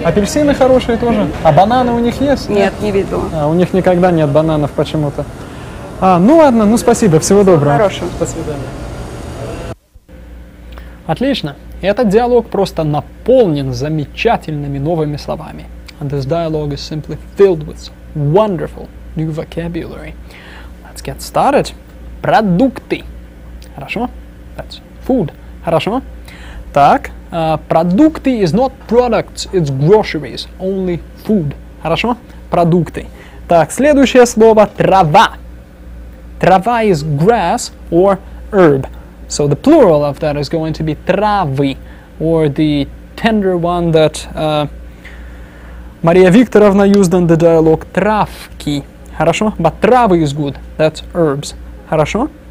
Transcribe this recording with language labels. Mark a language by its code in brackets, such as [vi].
[ru] Апельсины хорошие тоже? А бананы у них есть? Нет, не видела. А, у них никогда нет бананов почему-то. А, ну ладно, ну спасибо, всего доброго. Хорошего. До свидания. Отлично. Этот диалог просто наполнен замечательными новыми словами. [en] And this dialogue is simply filled with wonderful new vocabulary. Let's get started. Продукты. Хорошо? That's food. Хорошо? Так, продукты is not products, it's groceries, only food. Хорошо? Продукты. [ru] Так, следующее слово – трава. [en] Трава is grass or herb. So the plural of that is going to be травы, or the tender one that Мария Викторовна used in the dialogue – травки. Хорошо? But травы is good. That's herbs. Хорошо?